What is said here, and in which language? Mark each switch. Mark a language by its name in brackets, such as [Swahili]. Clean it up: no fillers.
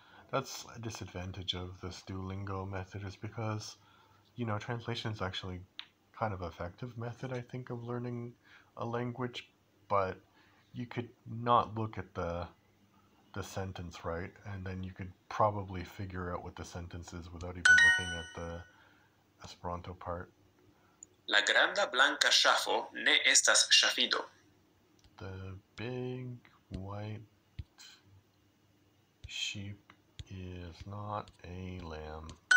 [English] That's a disadvantage of this Duolingo method, is because, you know, translation is actually kind of an effective method, I think, of learning a language, but you could not look at the sentence, right? And then you could probably figure out what the sentence is without even looking at the Esperanto part. [Esperanto] La granda blanca ŝafo ne estas ŝafido. [English] The big white sheep is not a lamb.